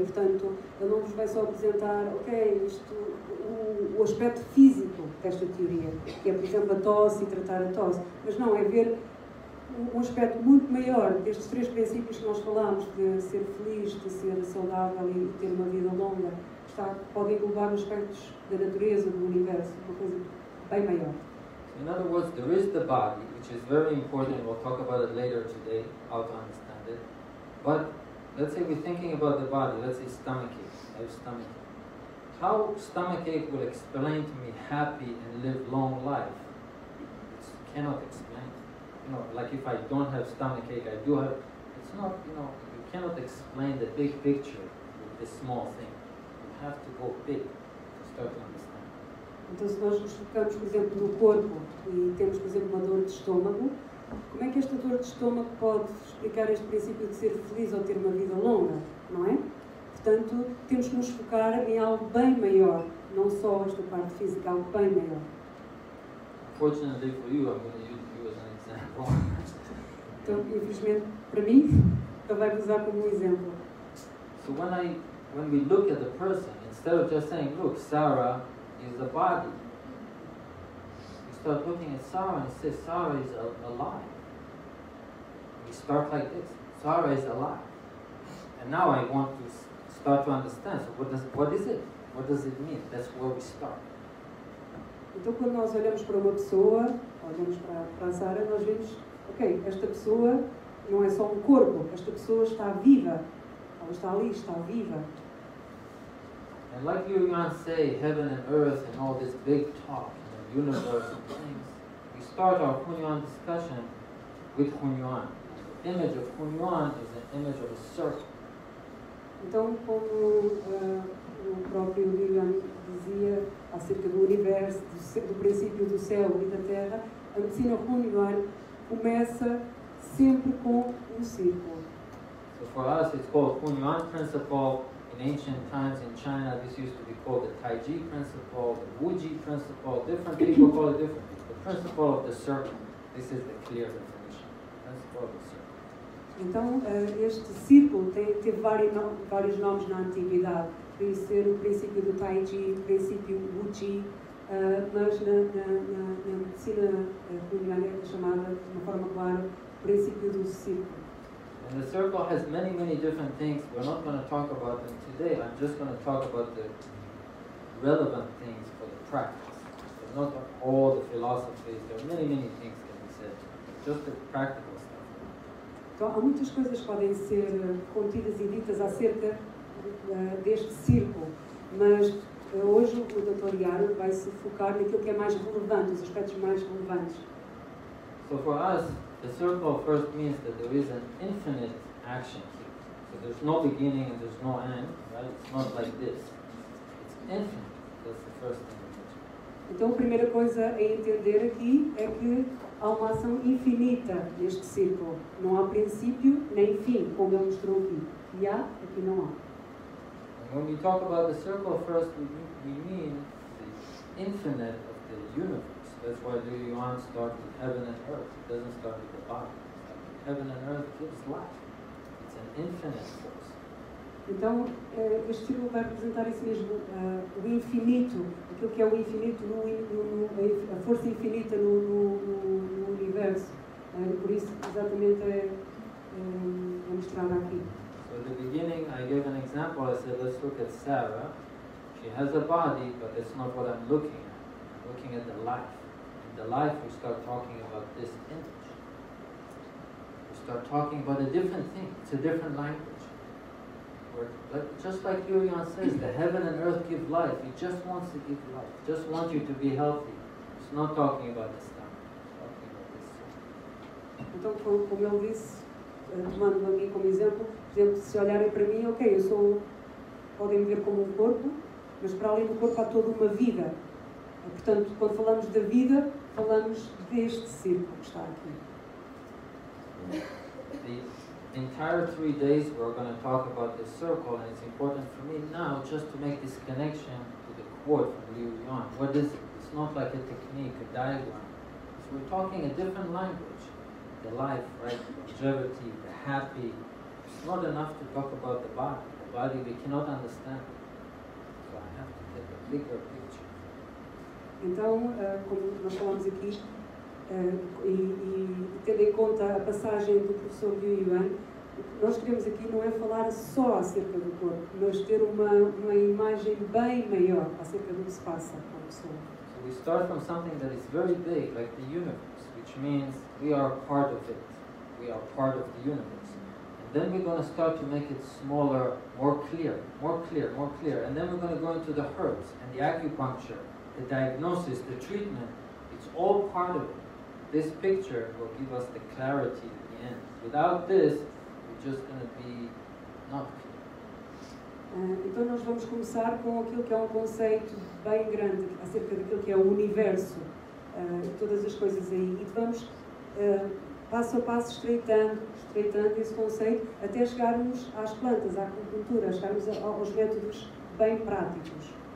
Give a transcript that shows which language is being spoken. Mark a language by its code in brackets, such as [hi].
[pt] Portanto, eu não vos vou só apresentar, ok, isto, o aspecto físico desta teoria, que é, por exemplo, a tosse e tratar a tosse. Mas não, é ver um aspecto muito maior destes três princípios que nós falamos, de ser feliz, de ser saudável e de ter uma vida longa, que está, pode englobar aspectos da natureza, do universo, uma coisa bem maior. [en] In other words, there is the body, which is very important, we'll talk about it later today, how to understand it. But let's say we're thinking about the body, let's say stomachache, I have stomachache. How stomachache will explain to me happy and live long life? It cannot explain. You know, like if I don't have stomachache, I do have, it's not, you know, you cannot explain the big picture with this small thing. You have to go big to start to understand. [pt] Então, se nós nos focamos, por exemplo, no corpo e temos, por exemplo, uma dor de estômago, como é que esta dor de estômago pode explicar este princípio de ser feliz ou ter uma vida longa, não é? Portanto, temos que nos focar em algo bem maior, não só esta parte física, algo bem maior. [en] Fortunately for you, I'm going to use you as an example. [pt] Então, infelizmente, para mim, também vou usar como um exemplo. [en] So when we look at the person, instead of just saying, look, Sarah is the body. We start looking at Sarah and say, Sarah is alive. We start like this. Sarah is alive. And now I want to start to understand. So what is it? What does it mean? That's where we start. [pt] Então, quando nós olhamos para uma pessoa, olhamos para a Sarah, nós vemos, ok, esta pessoa não é só um corpo. Esta pessoa está viva. Ela está ali, está viva. [en] And like you might say, heaven and earth and all this big talk and the universe and things, we start our Hunyuan discussion with Hunyuan. The image of Hunyuan is an image of a circle. [pt] Então, como o próprio Yuan dizia acerca do universo, do princípio do céu e da terra, a medicina Hunyuan começa sempre com um círculo. [en] So for us it's called Hunyuan principle. In ancient times in China, this used to be called the Taiji principle, the Wuji principle, different people call it different. The principle of the circle, this is the clear definition. Principle of the circle. [pt] Então, este círculo teve vários nomes na antiguidade. Podia ser o princípio do Taiji, o princípio Wuji, mas na medicina Hunyuan é chamada, de uma forma clara, princípio do círculo. [en] And the circle has many, many different things. We're not going to talk about them today. I'm just going to talk about the relevant things for the practice. They're not all the philosophies. There are many, many things that can be said. Just the practical stuff. [pt] Então, há muitas coisas que podem ser contidas e ditas acerca deste círculo. Mas hoje o Dr. Yaro vai se focar naquilo que é mais relevante, os aspectos mais relevantes. [en] So for us, the circle first means that there is an infinite action here. So there's no beginning and there's no end, right? It's not like this. It's infinite. That's the first thing. [pt] Então, a primeira coisa a entender aqui é que há uma ação infinita neste círculo. Não há princípio nem fim, como ele mostrou aqui. E há, aqui não há. [en] And when we talk about the circle first, we mean the infinite of the universe. That's why the Yuan starts with heaven and earth. It doesn't start with the body. Heaven and earth gives life. It's an infinite force. [pt] Então, este círculo vai representar isso mesmo, o infinito, aquilo que é o infinito, a força infinita no universo. Por isso, exatamente, é mostrado aqui. [en] So at the beginning, I gave an example. I said, let's look at Sarah. She has a body, but that's not what I'm looking at. I'm looking at the life. The life, we start talking about this image. We start talking about a different thing. It's a different language. But just like Yuan says, the heaven and earth give life. He just wants to give life. He just wants you to be healthy. He's not talking about the stomach. He's talking about this. [pt] Então, como ele disse, tomando a mim como exemplo, por exemplo, se olharem para mim, ok, eu sou, podem me ver como um corpo, mas para além do corpo há toda uma vida. Portanto, quando falamos da vida, falamos deste círculo que está aqui. [en] The entire 3 days we're going to talk about this circle, and it's important for me now just to make this connection to the quote from Liu Yuan. What is it? It's not like a technique, a diagram. So we're talking a different language. The life, right? Longevity, the happy. It's not enough to talk about the body. The body we cannot understand. So I have to get a bigger picture. [pt] Então, como nós falamos aqui, e tendo em conta a passagem do professor Liu Yuan, o que nós queremos aqui não é falar só acerca do corpo, mas ter uma imagem bem maior acerca do que se passa com a pessoa. [en] So we start from something that is very big, like the universe, which means we are part of it. We are part of the universe. And then we're going to start to make it smaller, more clear, more clear, more clear. And then we're going to go into the herbs and the acupuncture, the diagnosis, the treatment. It's all part of it. This picture will give us the clarity in the end. Without this, we're just going to be not clear. [pt] Então nós vamos começar com aquilo que é um conceito bem grande acerca daquilo que é o universo, todas as coisas aí. E vamos passo a passo estreitando esse conceito até chegarmos às plantas, à acupuntura, chegarmos aos métodos bem práticos.